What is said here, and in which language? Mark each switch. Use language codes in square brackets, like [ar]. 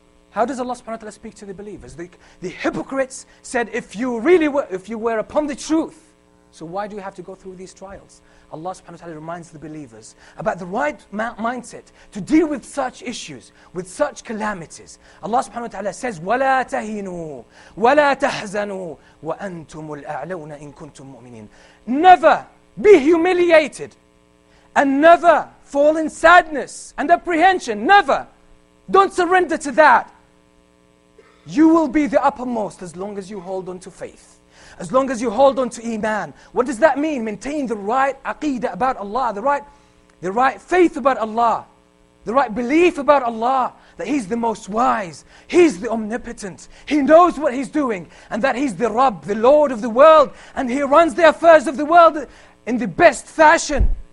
[en] How does Allah subhanahu wa ta'ala speak to the believers? The hypocrites said, if you were upon the truth, so why do you have to go through these trials? Allah subhanahu wa ta'ala reminds the believers about the right mindset to deal with such issues, with such calamities. Allah subhanahu wa ta'ala says, [ar] وَلَا تَهِنُوا وَلَا تَحْزَنُوا وَأَنْتُمُ الْأَعْلَوْنَ إِن كُنْتُم مُؤْمِنِينَ. [en] Never be humiliated and never fall in sadness and apprehension. Never. Don't surrender to that. You will be the uppermost as long as you hold on to faith. As long as you hold on to Iman. What does that mean? Maintain the right aqeedah about Allah, the right faith about Allah, the right belief about Allah, that He's the most wise, He's the omnipotent, He knows what He's doing, and that He's the Rabb, the Lord of the world, and He runs the affairs of the world in the best fashion.